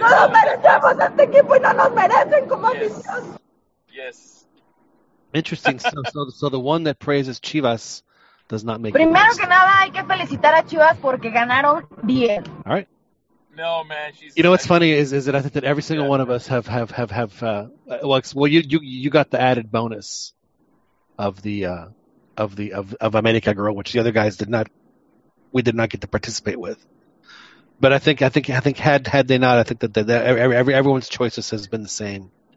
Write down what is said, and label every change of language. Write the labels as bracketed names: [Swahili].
[Spanish] No, merecemos este equipo y no nos merecen como aficionados. [English] Yes. Interesting. So the one that praises Chivas does not make. [Spanish] Primero que nada, hay que felicitar a Chivas porque ganaron bien. [English] All right. No, man. She's, you know, what's funny is that I think that every single one of us have you got the added bonus of America Girl, which the other guys did not get to participate with. But I think had they not, I think that everyone's choices has been the same.